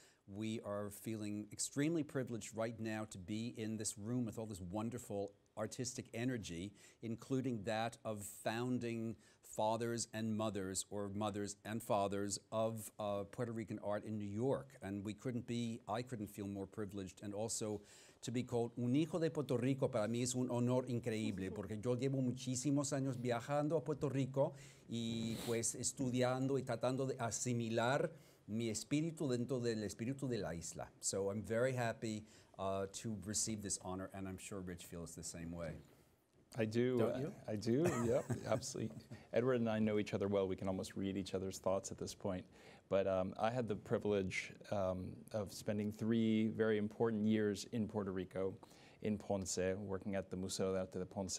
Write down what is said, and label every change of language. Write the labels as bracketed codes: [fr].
[en] We are feeling extremely privileged right now to be in this room with all this wonderful artistic energy, including that of founding fathers and mothers, or mothers and fathers, of Puerto Rican art in New York. And we couldn't be, I couldn't feel more privileged. And also to be called [es] un hijo de Puerto Rico, para mí es un honor increíble, porque yo llevo muchísimos años viajando a Puerto Rico y pues estudiando y tratando de asimilar mi espíritu dentro del espíritu de la isla. [en] So I'm very happy to receive this honor, and I'm sure Rich feels the same way. I do. Don't you? I do, yep, absolutely. Edward and I know each other well. We can almost read each other's thoughts at this point. But I had the privilege of spending three very important years in Puerto Rico, in Ponce, working at the Museo de Arte de Ponce.